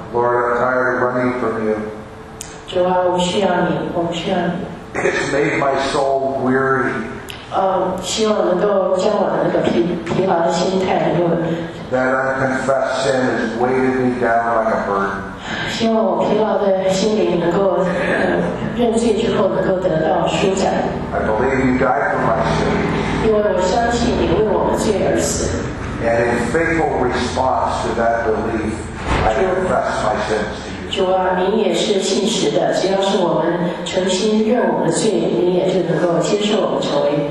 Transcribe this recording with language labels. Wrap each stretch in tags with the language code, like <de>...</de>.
<en>Lord, I'm tired of running from you.</en> <zh>主啊，我们需要你，我们需要你。</zh> <en>It's made my soul weary.</en> <zh>希望能够将我的那个疲劳的心态能够。</zh> <en>That unconfessed sin has weighted me down like a burden.</en> <zh>希望我疲劳的心灵能够认罪之后能够得到舒展。</zh> <en>I believe you died for my sin.</en> <zh>因为我相信你为我们罪而死。</zh> <en>And in faithful response to that belief, I confess my sins.</en> <zh>主啊，您也是信实的，只要是我们诚心认我们的罪，您也就能够接受我们成为</zh>